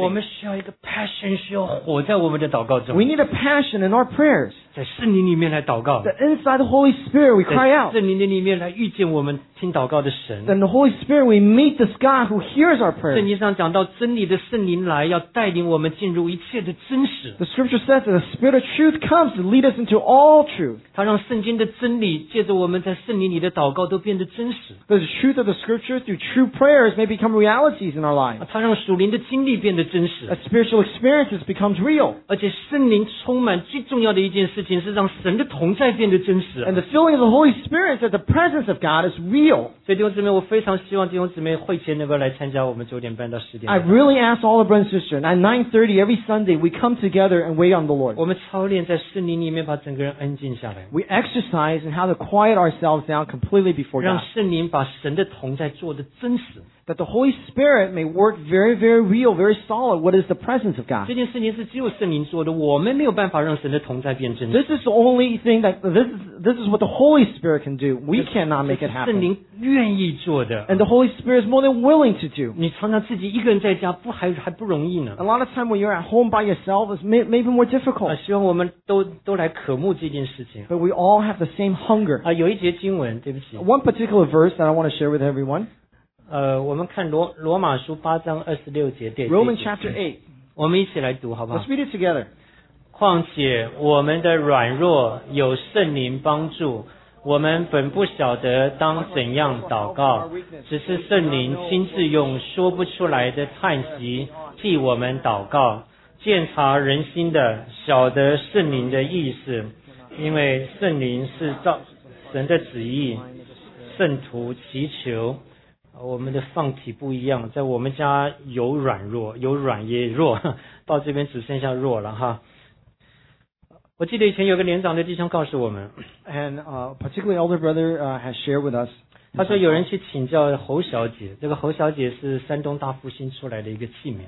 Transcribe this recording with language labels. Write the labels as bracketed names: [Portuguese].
[Chinese] 我们需要一个 passion, 需要火在我们的祷告中。 [English] We need a passion in our prayers. [Chinese] 在圣灵里面来祷告。 [English] The inside the Holy Spirit, we cry out. [Chinese] 在圣灵里面来遇见我们听祷告的神。 [English] In the Holy Spirit, we meet this God who hears our prayer. [Chinese] 圣经上讲到真理的圣灵来要带领我们进入一切的真实。 [English] The scripture says that the spirit of truth comes to lead us into all truth. [Chinese] 它让圣经的真理借着我们在圣灵里的祷告都变得真实。 [English] The truth of the scripture through true prayers may become realities in our lives. [Chinese] 它让属灵的经历变得真实。 [English] A spiritual experiences becomes real. [Chinese] 而且圣灵充满最重要的一件事事情是让神的同在变得真实。 [English] And the filling of the Holy Spirit is that the presence of God is real. [Chinese] 所以弟兄姊妹，我非常希望弟兄姊妹会前能够来参加我们九点半到十点。 [English] I really ask all the brothers and sisters, at 9:30 every Sunday, we come together and wait on the Lord. [Chinese] 我们操练在圣灵里面把整个人安静下来。 [English] We exercise and how to quiet ourselves down completely before God. [Chinese] 让圣灵把神的同在做得真实。 [English] That the Holy Spirit may work very, very real, very solid. What is the presence of God? [Chinese] 这件事情是只有圣灵做的，我们没有办法让神的同在变真实。 [English] This is the only thing that this is what the Holy Spirit can do. We cannot make it happen. [Chinese] 圣灵愿意做的。 [English] And the Holy Spirit is more than willing to do. [Chinese] 你常常自己一个人在家还不容易呢。 [English] A lot of time when you're at home by yourself is maybe more difficult. [Chinese] 希望我们都来渴慕这件事情。 [English] But we all have the same hunger. [Chinese] 有一节经文，对不起。 [English] One particular verse that I want to share with everyone. [Chinese] 我们看罗马书八章二十六节，对。 [English] Romans chapter 8. [Chinese] 我们一起来读，好不好 [English] ？Let's read it together. [Chinese] 况且我们的软弱有圣灵帮助，我们本不晓得当怎样祷告，只是圣灵亲自用说不出来的叹息替我们祷告，鉴察人心的，晓得圣灵的意思，因为圣灵是照神的旨意，圣徒祈求。我们的放体不一样，在我们家有软弱，有软也弱，到这边只剩下弱了哈。我记得以前有个年长的弟兄告诉我们 [English] ，and particularly elder brother has shared with us， [Chinese] 他说有人去请教侯小姐，这个侯小姐是山东大复兴出来的一个器皿